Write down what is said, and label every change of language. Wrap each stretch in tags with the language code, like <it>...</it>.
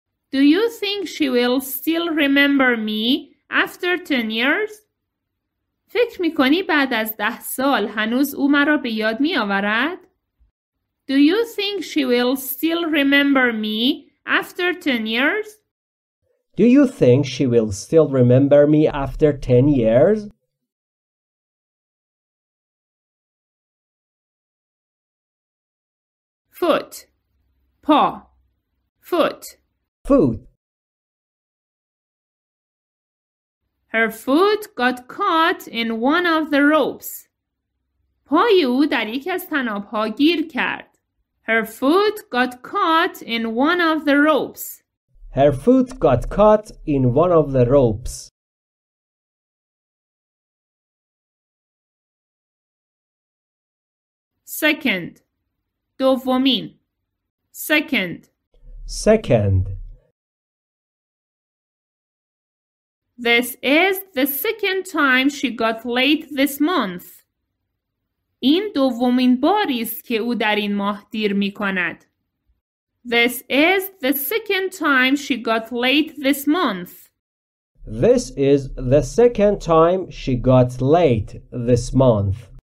<en>Do you think she will still remember me after 10 years?</en> <fa>فکر می‌کنی بعد از 10 سال هنوز او مرا به یاد می‌آورد؟</fa> <en>Do you think she will still remember me after 10 years? Do you think she will still remember me after 10 years? Foot.</en> <fa>پا.</fa> <en>Foot. Foot. Her foot got caught in one of the ropes.</en> <fa>پای او در یکی از طناب‌ها گیر کرد.</fa> <en>Her foot got caught in one of the ropes. Her foot got caught in one of the ropes. Second.</en> <fa>دومین.</fa> <en>Second. Second. This is the second time she got late this month.</en> <fa>این دومین باری است که او در این ماه دیر می کند.</fa> <en>This is the second time she got late this month. This is the second time she got late this month.</en>